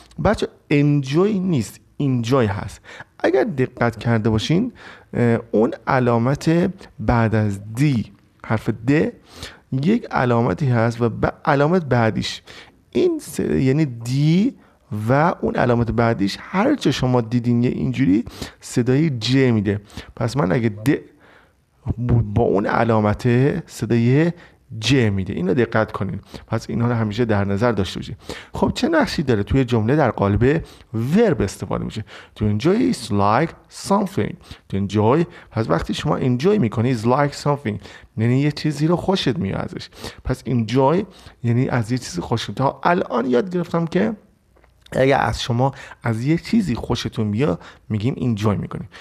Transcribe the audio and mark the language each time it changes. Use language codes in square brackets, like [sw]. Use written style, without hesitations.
[fa] بچه enjoy نیست، enjoy هست. اگر دقت کرده باشین اون علامت بعد از دی، حرف د، یک علامتی هست و علامت بعدیش این یعنی دی و اون علامت بعدیش هر چه شما دیدین یه اینجوری صدای ج میده. پس من اگه د بود با اون علامت صدای ج میده. اینو دقت کنین، پس اینا رو همیشه در نظر داشته باشین. خب چه نقشی داره؟ توی جمله در قالب ورب استفاده میشه. [en] to enjoy is like something. [fa] to enjoy، پس وقتی شما enjoy میکنی [en] is like something، [fa] یعنی یه چیزی رو خوشت میاد ازش. پس enjoy یعنی از یه چیزی خوشت. تا الان یاد گرفتم که اگه از شما از یه چیزی خوشتون بیاد میگیم enjoy میکنی.